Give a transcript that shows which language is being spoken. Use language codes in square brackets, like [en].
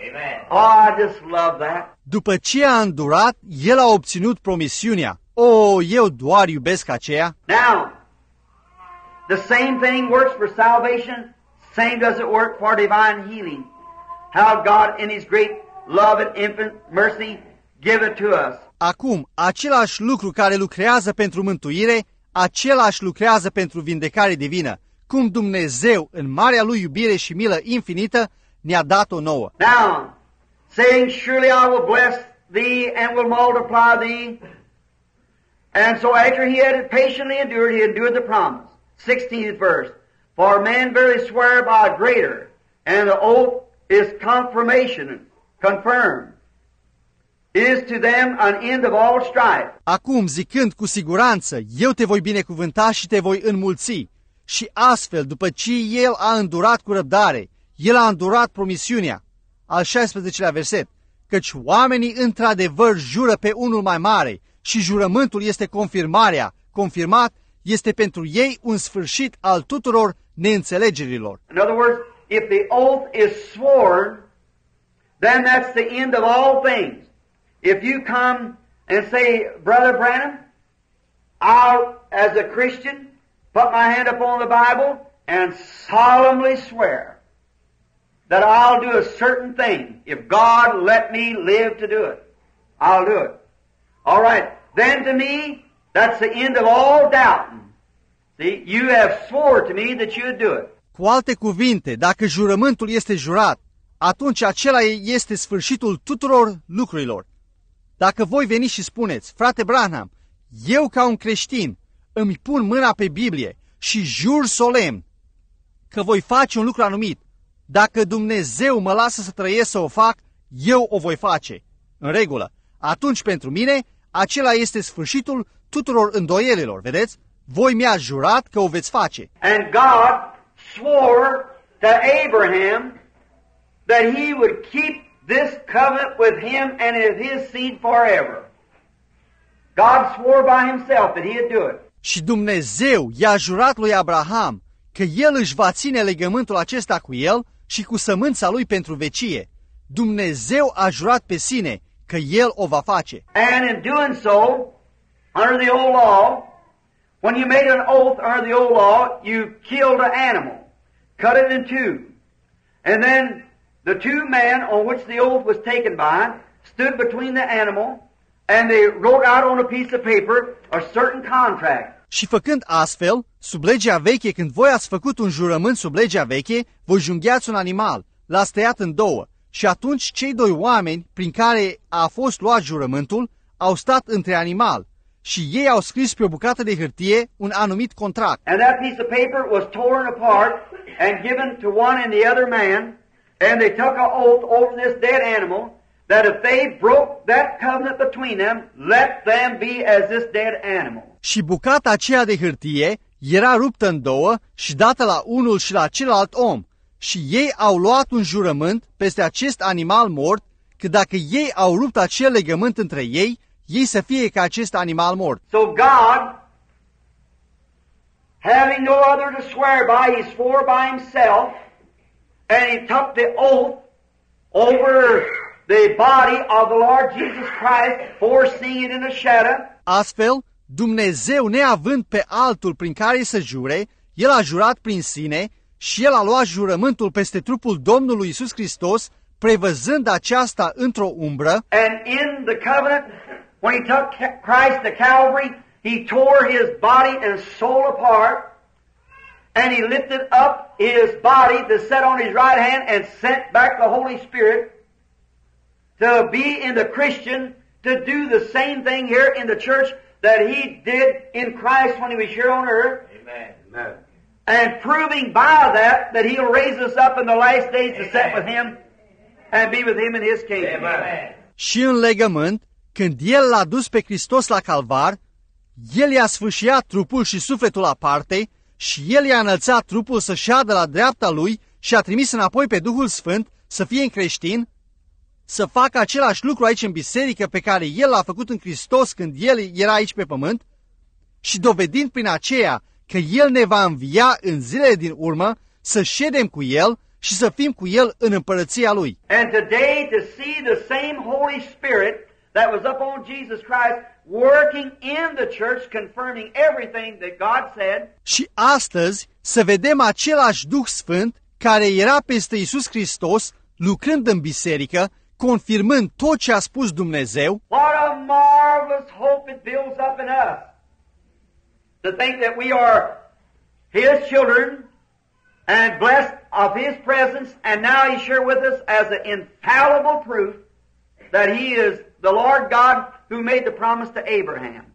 [en] Amen. Oh, I just love that. [ro] După ce a îndurat, el a obținut promisiunea. Oh, eu doar iubesc aceea. [en] Now, the same thing works for salvation, same does it work for divine healing. How God in his great love and infinite mercy give it to us. [ro] Acum, același lucru care lucrează pentru mântuire, același lucrează pentru vindecare divină. Cum Dumnezeu, în marea Lui iubire și milă infinită, ne-a dat-o nouă. [en] Now, saying, surely I will bless thee and will multiply thee. And so after he had patiently endured, he endured the promise. 16th verse. For man verily swear by greater, and the oath is confirmation, confirmed. Is to them an end of all strife. [ro] Acum, zicând cu siguranță, eu te voi binecuvânta și te voi înmulți. Și astfel, după ce el a îndurat cu răbdare, el a îndurat promisiunea, al 16-lea verset, căci oamenii într-adevăr jură pe unul mai mare și jurământul este confirmarea, confirmat este pentru ei un sfârșit al tuturor neînțelegerilor. [en] In other words, if the oath is sworn, then that's the end of all things. If you come and say, Brother Branham, I'll, as a Christian, put my hand upon the Bible and solemnly swear that I'll do a certain thing if God let me live to do it. I'll do it. All right. Then to me, that's the end of all doubting. See, you have swore to me that you'd do it. [ro] Cu alte cuvinte, dacă jurământul este jurat, atunci acela este sfârșitul tuturor lucrurilor. Dacă voi veni și spuneți, frate Branham, eu ca un creștin, îmi pun mâna pe Biblie și jur solemn că voi face un lucru anumit. Dacă Dumnezeu mă lasă să trăiesc să o fac, eu o voi face. În regulă. Atunci pentru mine, acela este sfârșitul tuturor îndoielilor, vedeți? Voi mi-ați jurat că o veți face. [en] And God swore to Abraham that he would keep this covenant with him and his seed forever. God swore by himself that he'd do it. [ro] Și Dumnezeu i-a jurat lui Abraham că el își va ține legământul acesta cu el și cu sămânța lui pentru vecie. Dumnezeu a jurat pe sine că el o va face. [en] And in doing so, under the old law, when you made an oath under the old law, you killed an animal, cut it in two. And then the two men on which the oath was taken by stood between the animal and they wrote out on a piece of paper a certain contract. [ro] Și făcând astfel, sub legea veche, când voi ați făcut un jurământ sub legea veche, voi jungheați un animal, l-ați tăiat în două. Și atunci cei doi oameni prin care a fost luat jurământul au stat între animal. Și ei au scris pe o bucată de hârtie un anumit contract. [en] And that piece of paper was torn apart and given to one and the other man, and they took an oath over this dead animal that if they broke that covenant between them, let them be as this dead animal. [ro] Și bucata aceea de hârtie era ruptă în două și dată la unul și la celălalt om. Și ei au luat un jurământ peste acest animal mort că dacă ei au rupt acel legământ între ei, ei să fie ca acest animal mort. [en] So God, having no other to swear by, he swore by himself, and he took the oath over the body of the Lord Jesus Christ, foreseeing it in a shadow. [ro] Astfel, Dumnezeu, neavând pe altul prin care să jure, el a jurat prin sine și el a luat jurământul peste trupul Domnului Iisus Hristos, prevăzând aceasta într-o umbră. [en] And in the covenant, when he took Christ to Calvary, he tore his body and soul apart, and he lifted up his body to set on his right hand and sent back the Holy Spirit to be in the Christian, to do the same thing here in the church that he did in Christ when he was here on earth. Amen. And proving by that that he'll raise us up in the last days to set with him and be with him in his kingdom. Amen. [ro] Și în legământ, când el l-a dus pe Hristos la calvar, el i-a sfâșiat trupul și sufletul aparte și el i-a înălțat trupul să șadă la dreapta lui și a trimis înapoi pe Duhul Sfânt să fie în creștin, să facă același lucru aici în biserică pe care el l-a făcut în Hristos când el era aici pe pământ și dovedind prin aceea că el ne va învia în zilele din urmă să ședem cu el și să fim cu el în împărăția lui. [en] And today to see the same Holy Spirit that was up on Jesus Christ working in the church confirming everything that God said. [ro] Și astăzi să vedem același Duh Sfânt care era peste Iisus Hristos lucrând în biserică confirmând tot ce a spus Dumnezeu. [en] What a marvelous hope it builds up in us to think that we are his children and blessed of his presence, and now he's sure with us as an infallible proof that he is the Lord God who made the promise to Abraham.